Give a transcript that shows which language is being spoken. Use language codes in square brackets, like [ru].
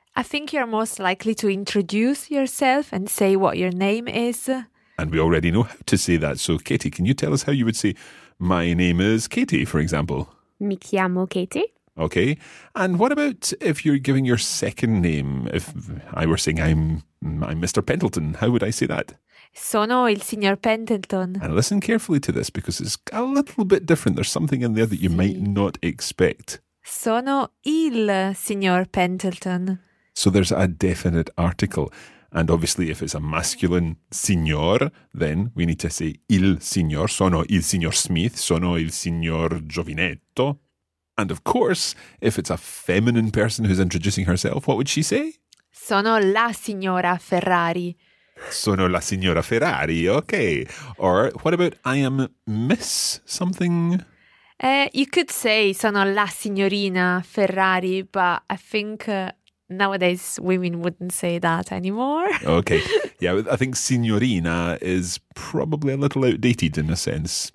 [en] I think you're most likely to introduce yourself and say what your name is. And we already know how to say that. So, Katie, can you tell us how you would say, my name is Katie, for example? [it] Mi chiamo Katie. [en] Okay. And what about if you're giving your second name? If I were saying I'm Mr. Pendleton, how would I say that? [it] Sono il signor Pendleton. [en] And listen carefully to this because it's a little bit different. There's something in there that you might not expect. [it] Sono il signor Pendleton. [en] So there's a definite article. And obviously, if it's a masculine signor, then we need to say il signor. [it] Sono il signor Smith. Sono il signor Giovinetto. [en] And of course, if it's a feminine person who's introducing herself, what would she say? [it] Sono la signora Ferrari. Sono la signora Ferrari. [en] Okay. Or what about I am Miss something? You could say [it] sono la signorina Ferrari, [en] but I think... Nowadays, women wouldn't say that anymore. Okay. Yeah, I think signorina is probably a little outdated in a sense.